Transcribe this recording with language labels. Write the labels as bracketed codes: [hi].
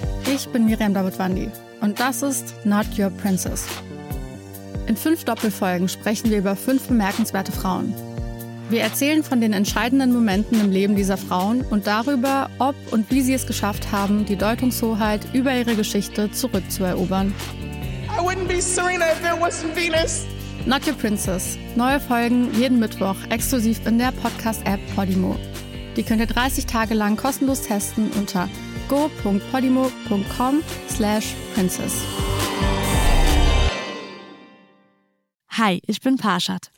[de] Ich bin Miriam Dawood-Wandi und das ist Not Your Princess. In 5 Doppelfolgen sprechen wir über 5 bemerkenswerte Frauen. Wir erzählen von den entscheidenden Momenten im Leben dieser Frauen und darüber, ob und wie sie es geschafft haben, die Deutungshoheit über ihre Geschichte zurückzuerobern. [en] I wouldn't be Serena if there wasn't Venus. Not Your Princess. [de] Neue Folgen jeden Mittwoch exklusiv in der Podcast-App Podimo. Die könnt ihr 30 Tage lang kostenlos testen unter go.podimo.com/princess. Hi, ich bin Parshad.